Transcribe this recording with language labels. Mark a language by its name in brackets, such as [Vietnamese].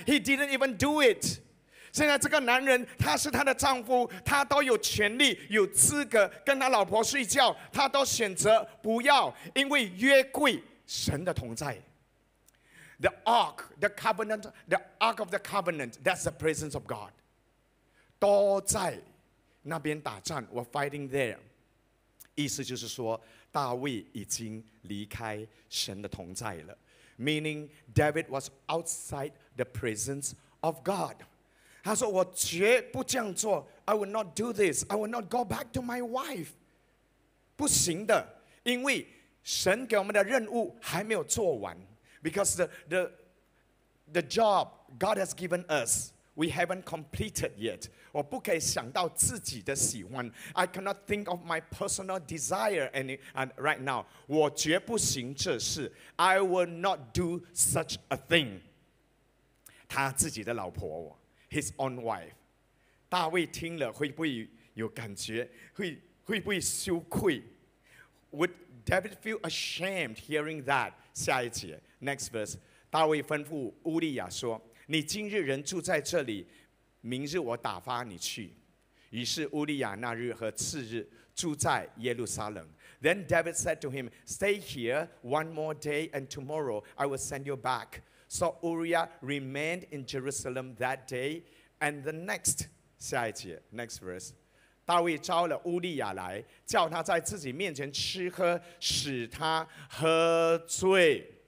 [English] He didn't even do it." [Chinese] 现在这个男人，他是他的丈夫，他都有权利、有资格跟他老婆睡觉，他都选择不要，因为约柜神的同在。 [English] The ark, the covenant, the ark of the covenant. That's the presence of God. [Chinese] 都在那边打仗 [English] were fighting there. [Chinese] 意思就是说大卫已经离开神的同在了 [English] meaning David was outside the presence of God. [Chinese] 他说我绝不这样做 [English] I will not do this. I will not go back to my wife. [Chinese] 不行的因为神给我们的任务还没有做完 [English] because the job God has given us,We haven't completed yet. [Chinese] 我不可以想到自己的喜欢。 [English] I cannot think of my personal desire right now. [Chinese] 我绝不行这事。 [English] I will not do such a thing. [Chinese] 他自己的老婆 [English] his own wife. [Chinese] 大卫听了会不会有感觉？会不会羞愧？ [English] Would David feel ashamed hearing that? [Chinese] 下一节 [English] next verse. [Chinese] 大卫吩咐乌利亚说。你今日人住在这里，明日我打发你去。于是乌利亚那日和次日住在耶路撒冷。 [English] Then David said to him, stay here one more day and tomorrow I will send you back. So Uriah remained in Jerusalem that day and the next, [Chinese] 下一节, [English] next verse. [Chinese] 大卫召了乌利亚来，叫他在自己面前吃喝，使他喝醉。